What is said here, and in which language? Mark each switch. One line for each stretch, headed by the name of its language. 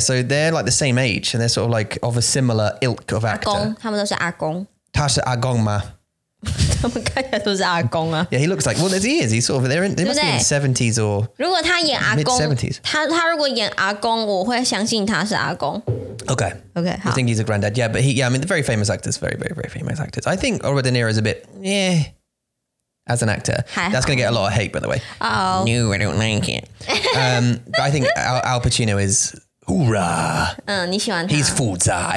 English: So they're like the same age, and they're sort of like of a similar ilk of actor.
Chinese: 阿公，他们都是阿公。他是阿公吗？他们看起来都是阿公啊。
English: Yeah, he looks like. Well, he is. He's sort of there. They must be in 70s or.
Chinese: 如果他演阿公
English: ，mid-70s.
Chinese: 他如果演阿公，我会相信他是阿公。
English: Okay. Okay. I think he's a granddad. Yeah, but he. Yeah, I mean, the very famous actors. Very, very, very famous actors. I think Robert De Niro is a bit. Yeah. as an actor. That's going to get a lot of hate, by the way. Oh. No, I don't like it. but I think Al Pacino is... Hoorah! He's 复杂.